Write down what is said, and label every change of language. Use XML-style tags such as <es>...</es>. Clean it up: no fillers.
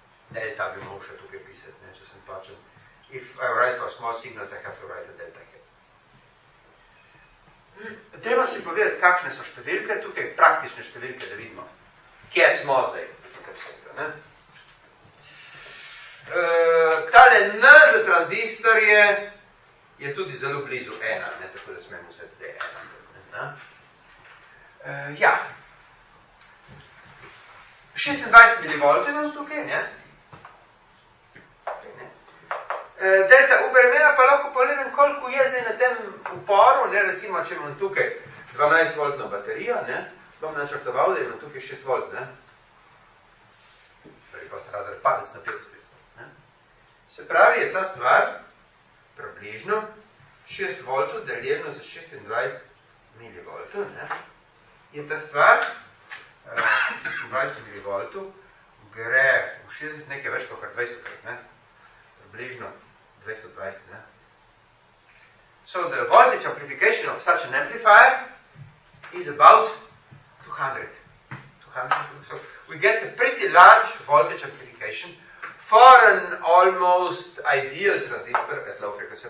<sl>Delta bi mogel še tukaj pisati, ne, če sem točen.</sl> <en>If I write for small signals, I have to write a delta here.</en> <sl>Treba si povedati, kakšne so številke, tukaj praktične številke, da vidimo, kje smo zdaj. Tale N za transistor je tudi zelo blizu ena, ne, tako da smemo se da je ena. Ja. 26 mV imam tukaj, ne? Tukaj, ne? Delta U bremena pa lahko pogledam, koliko je zdaj na tem uporu, ne? Recimo, če imam tukaj 12 V baterijo, ne? Bom načrtoval, da imam tukaj 6 V, ne? Torej, posto razred padec na 50, ne? Se pravi, je ta stvar približno 6 V deljeno za 26 mV, ne? Je ta stvar, 20 mV gre v 60, nekaj več kot 200, ne? Približno 220, ne?</sl> <en>So the voltage amplification of such an amplifier is about 200. 200. So we get a pretty large voltage amplification for an almost ideal transistor at low frequency.</en>